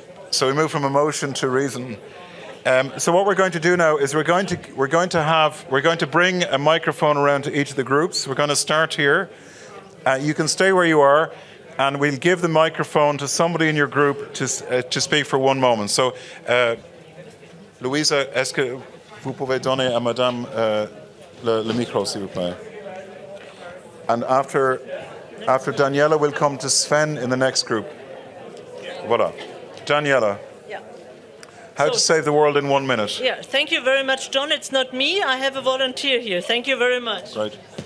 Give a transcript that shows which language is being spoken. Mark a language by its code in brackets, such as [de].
[en] So we move from emotion to reason. So what we're going to do now is we're going to bring a microphone around to each of the groups. We're going to start here. You can stay where you are. And we'll give the microphone to somebody in your group to speak for one moment. [fr] So, Louisa, est-ce que vous pouvez donner à Madame le micro, s'il vous plaît? [en] And after Daniela, we'll come to Sven in the next group. Voilà. Daniela. How to save the world in 1 minute. Yeah, thank you very much, John. It's not me. I have a volunteer here. Thank you very much. Right.